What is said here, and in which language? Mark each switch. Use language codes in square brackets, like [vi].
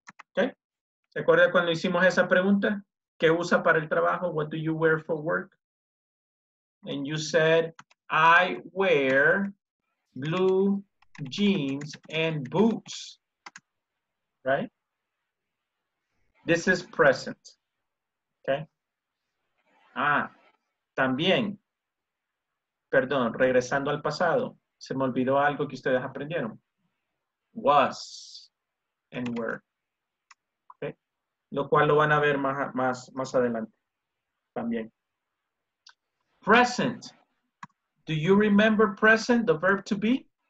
[es] Okay, ¿se acuerda cuando hicimos esa pregunta? ¿Qué usa para el trabajo? [en] What do you wear for work? And you said, I wear blue jeans and boots, right? This is present, okay? [es] Ah, también, perdón, regresando al pasado, se me olvidó algo que ustedes aprendieron. [en] Was and were, okay? [es] Lo cual lo van a ver más adelante, también. [en] Present. Do you remember present, the verb to be?